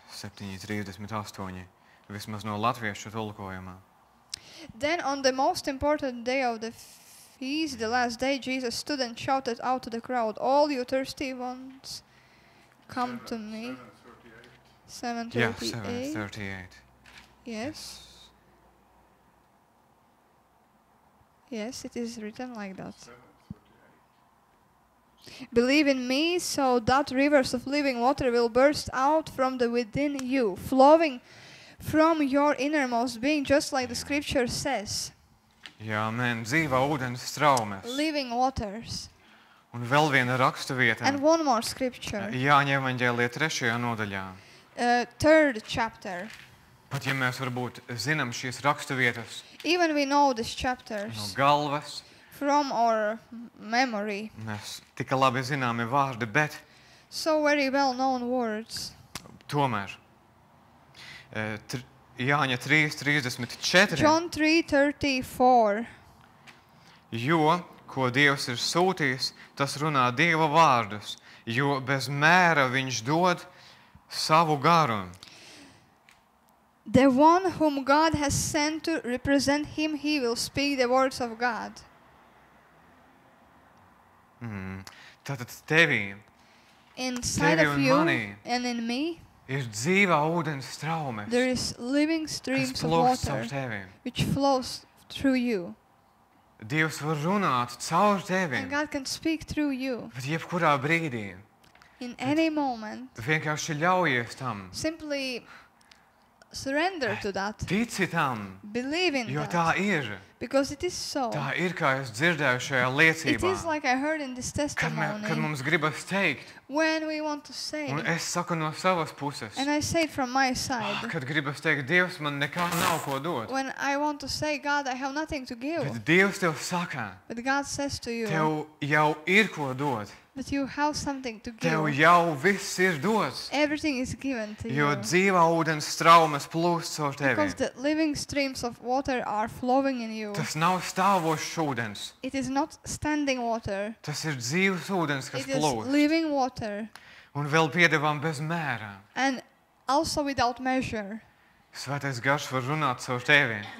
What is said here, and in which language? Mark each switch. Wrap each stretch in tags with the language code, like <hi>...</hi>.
<lv>7:38, vismaz no latviešu tulkojumā.</lv> <en>Then on the most important day of the feast, the last day, Jesus stood and shouted out to the crowd, all you thirsty ones, come seven, to me. 7:38. Yes. Yes, it is written like that. Believe in me, so that rivers of living water will burst out from the within you, flowing from your innermost being, just like the scripture says.</en> <lv>Jā, amen. Dzīvā ūdens straumes.</lv> <en>Living waters.</en> <lv>Un vēl viena rakstu vieta.</lv> <en>And one more scripture.</en> <lv>Jāņa evaņģēlija 3. Nodaļā.</lv> <en>Third chapter.</en> <lv>Pat ja mēs varbūt zinām šīs rakstu vietas.</lv> <en>Even we know these chapters.</en> <lv>No galvas.</lv> <en>From our memory.</en> <lv>Mēs tika labi zināmi vārdi, bet.</lv> <en>So very well known words.</en> <lv>Tomēr. Jāņa 3:34.</lv> <en>John 3:34.</en> <lv>Jo, ko Dievs ir sūtījis, tas runā Dieva vārdus, jo bez mēra viņš dod savu garu.</lv> <en>The one whom God has sent to represent him, he will speak the words of God.</en> <lv>Tātad tevī.</lv> <en>Inside of you and in me.</en> <lv>Ir dzīvā ūdens straumes.</lv> <en>There is living streams of water which flows through you.</en> <lv>Dievs var runāt caur tevi.</lv> <en>And God can speak through you.</en> <lv>Bet jebkurā brīdī.</lv> <en>In any moment.</en> <lv>Vienkārši ļaujies tam.</lv> <en>Simply surrender to that.</en> <lv>Tici tam.</lv> <en>Believe in</en> <lv>jo</lv> <en>that.</en> <lv>Tā ir.</lv> <en>Because it is so.</en> <lv>Tā ir, kā es dzirdēju šajā liecībā.</lv> <en>It is like I heard in this testimony.</en> <lv>Kad mums gribas teikt.</lv> <en>When we want to say.</en> <lv>Un es saku no savas puses.</lv> <en>And I say from my side.</en> <lv>Kad gribas teikt, Dievs man nekā nav ko dot.</lv> <en>When I want to say, God, I have nothing to give.</en> <lv>Bet Dievs tev saka.</lv> <en>But God says to you.</en> <lv>Tev jau ir ko dot.</lv> <en>But you have something to give.</en> <lv>Tev jau viss ir dots.</lv> <en>Everything is given to you.</en> <lv>Jo dzīvā ūdens straumes plūst caur tevi.</lv> <en>Because the living streams of water are flowing in you.</en> <lv>Tas nav stāvošs ūdens.</lv> <en>It is not standing water.</en> <lv>Tas ir dzīvs ūdens, kas plūst.</lv> <en>It is living water.</en> <lv>Un vēl piedevām bez mēra.</lv> <en>And also without measure.</en> <lv>Svētais Garš var runāt caur tevi.</lv>